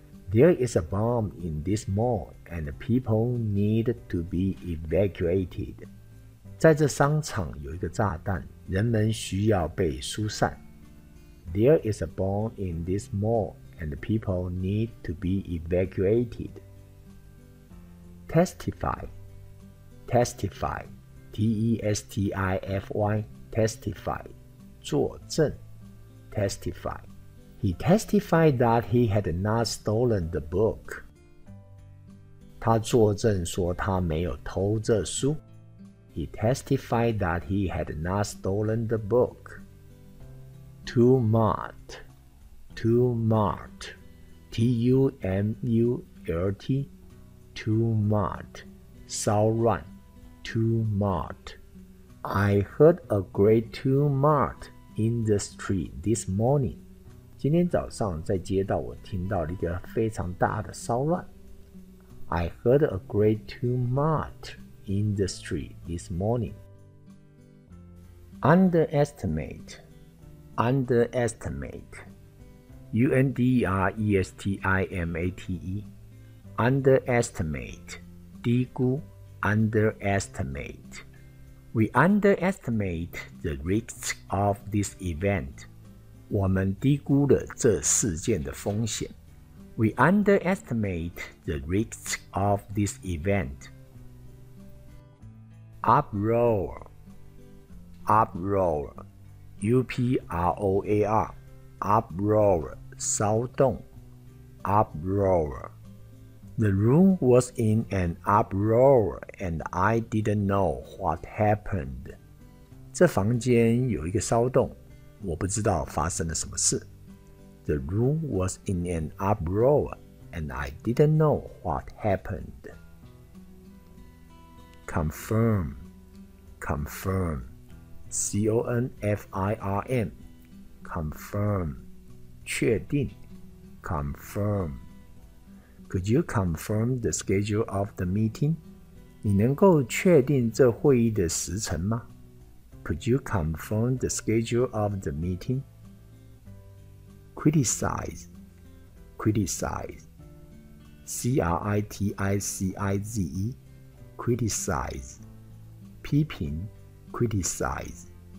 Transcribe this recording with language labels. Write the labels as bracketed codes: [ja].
[en] There is a bomb in this mall and people need to be evacuated [zh] 在这商场有一个炸弹人们需要被疏散 [en] There is a bomb in this mall and people need to be evacuated Testify TestifyT-E-S-T-I-F-Y Testify [zh] 作证 [en] Testify He testified that he had not stolen the book [zh] 他作证说他没有偷这书 [en] He testified that he had not stolen the book Tumult Tumult T-U-M-U-L-T Tumult 骚乱Tumult I heard a great two mart in the street this morning. [zh] 今天早上在街道我听到了一个非常大的骚乱。 [en] I heard a great two mart in the street this morning. Underestimate. Underestimate. UNDERESTIMATE. Underestimate. 低估 Underestimate. We underestimate the risks of this event. [zh] 我们低估了这事件的风险。 [en] We underestimate the risks of this event. Uproar. Uproar. UPROAR. Uproar. 骚动。 Uproar. The room was in an uproar and I didn't know what happened. [zh] 这房间有一个骚动，我不知道发生了什么事。 [en] The room was in an uproar and I didn't know what happened. Confirm. Confirm. C-O-N-F-I-R-M. Confirm. 确定。Confirm. Could you confirm the schedule of the meeting? [zh] 你能够确定这会议的时程吗? [en] Could you confirm the schedule of the meeting? Criticize. Criticize. C-R-I-T-I-C-I-Z-E. Criticize. 批评 Criticize.